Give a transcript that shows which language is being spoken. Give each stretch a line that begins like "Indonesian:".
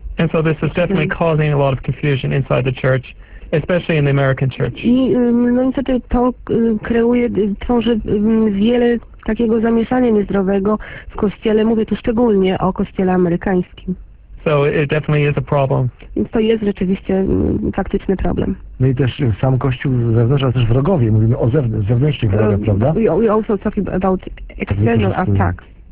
English: And so this is definitely causing a lot of confusion inside the church, especially in the American church.
Polish: I no niestety to tworzy wiele takiego zamieszania niezdrowego w kościele, mówię tu szczególnie o kościele amerykańskim.
English: So it definitely is a problem.
Polish: Więc to jest rzeczywiście faktyczny problem. No i też sam kościół zewnątrz, ale też wrogowie, mówimy o zewnętrznych wrogach, prawda?
English: We also talk about external attacks.